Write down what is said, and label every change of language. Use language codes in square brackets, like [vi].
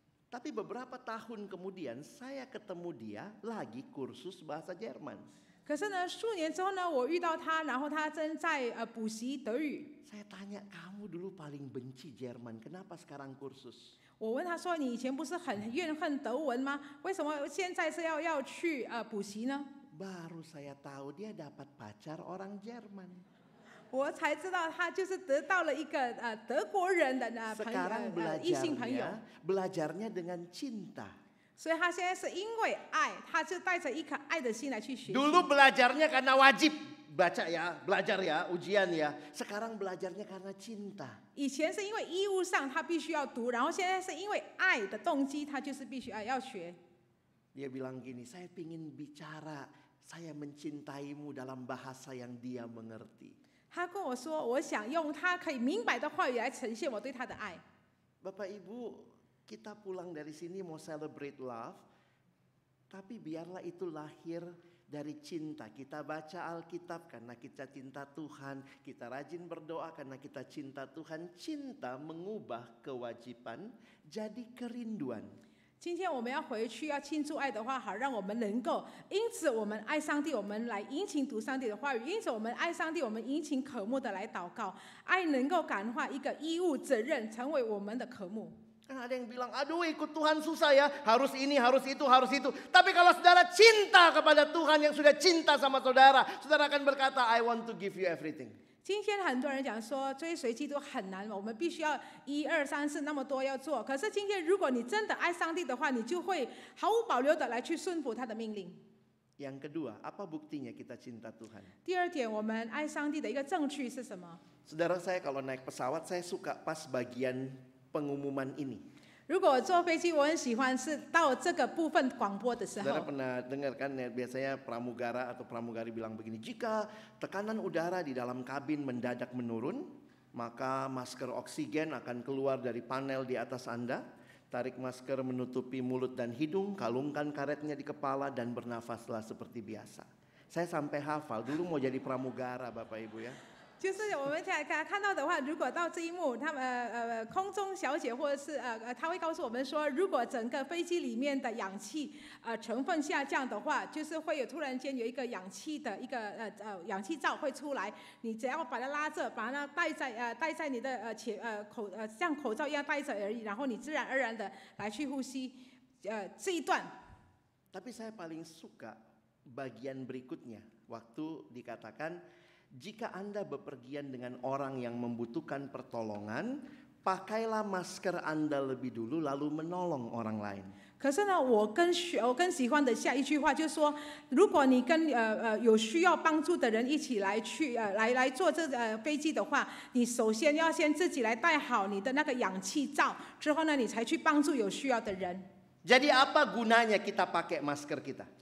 [id] Tapi beberapa tahun kemudian saya ketemu dia lagi kursus bahasa Jerman. [zh] 可是呢，数年之后呢，我遇到他，然后他正在补习德语。 [id] Saya tanya kamu dulu paling benci Jerman, kenapa sekarang kursus? [zh] 我问他说，你以前不是很怨恨德文吗？为什么现在是要去补习呢？ [id] Baru saya tahu dia dapat pacar orang Jerman. [zh] 我才知道他就是得到了一个德国人的朋友，异性朋友。 [id] Belajarnya dengan cinta. [zh] 所以他现在是因为爱，他就带着一颗爱的心来去学习。 [id] Dulu belajarnya karena wajib baca ya, belajar ya, ujian ya. Sekarang belajarnya karena cinta. [zh] 以前是因为义务上他必须要读，然后现在是因为爱的动机，他就是必须要学。 [id] Dia bilang gini, saya ingin bicara, saya mencintaimu dalam bahasa yang dia mengerti. [zh] 他跟我说，我想用他可以明白的话语来呈现我对他的爱。 [id] Bapak Ibu. Kita pulang dari sini mau [en] celebrate love, [id] tapi biarlah itu lahir dari cinta. Kita baca Alkitab karena kita cinta Tuhan, kita rajin berdoa karena kita cinta Tuhan. Cinta mengubah kewajiban jadi kerinduan. [zh] 今天我们要回去要倾注爱的话，好让我们能够因此我们爱上帝，我们来殷勤读上帝的话语，因此我们爱上帝，我们殷勤渴慕的来祷告，爱能够感化一个义务责任成为我们的渴慕。 [id] Ada yang bilang, aduh ikut Tuhan susah ya, harus ini, harus itu, harus itu. Tapi kalau saudara cinta kepada Tuhan yang sudah cinta sama saudara, saudara akan berkata, [en] I want to give you everything. [zh] 今天很多人讲说追随基督很难，我们必须要一二三四那么多要做。可是今天如果你真的爱上帝的话，你就会毫无保留的来去顺服他的命令。 [id] Yang kedua, apa buktinya kita cinta Tuhan? [zh] 第二点，我们爱上帝的一个证据是什么？ [id] Saudara saya kalau naik pesawat, saya suka pas bagian. Pengumuman ini. [zh] 如果坐飞机，我很喜欢是到这个部分广播的时候。 [id] Saudara pernah dengar kan? Biasanya pramugara atau pramugari bilang begini, jika tekanan udara di dalam kabin mendadak menurun, maka masker oksigen akan keluar dari panel di atas anda. Tarik masker menutupi mulut dan hidung, kalungkan karetnya di kepala dan bernafaslah seperti biasa. Saya sampai hafal. Dulu mau jadi pramugara, Bapak Ibu ya. [zh] 就是我们现在看到的话，如果到这一幕，他们空中小姐或者是他会告诉我们说，如果整个飞机里面的氧气成分下降的话，就是会有突然间有一个氧气的一个氧气罩会出来，你只要把它拉着，把它戴在你的像口罩一样戴着而已，然后你自然而然的来去呼吸。这一段。 [id] Tapi saya paling suka bagian berikutnya waktu dikatakan jika Anda bepergian dengan orang yang membutuhkan pertolongan, pakailah masker Anda lebih dulu lalu menolong orang lain. [zh] 可是呢，我更喜欢的下一句话就是说，如果你跟有需要帮助的人一起来去来坐这飞机的话，你首先要先自己来戴好你的那个氧气罩，之后呢，你才去帮助有需要的人。 [id] Jadi apa gunanya kita pakai masker kita？